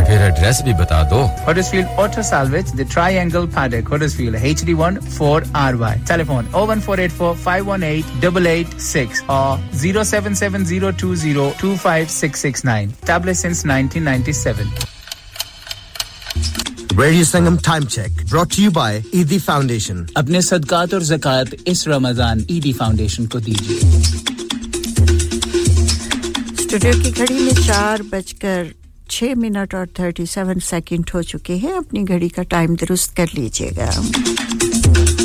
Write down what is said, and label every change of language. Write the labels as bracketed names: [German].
[Hindi] और फिर एड्रेस भी बता दो Huddersfield auto salvage the triangle paddock Huddersfield HD1 4RY telephone 01484518886 और 0770202569 tablet since 1997 [English] Radio Sangam Time Check, brought to you by Eidi Foundation. [Hindi] अपने सदकात और ज़कात इस रमज़ान Eidi Foundation को दीजिए. स्टूडियो की घड़ी में 4:06:37 हो चुके हैं. अपनी घड़ी का टाइम दुरुस्त कर लीजिएगा.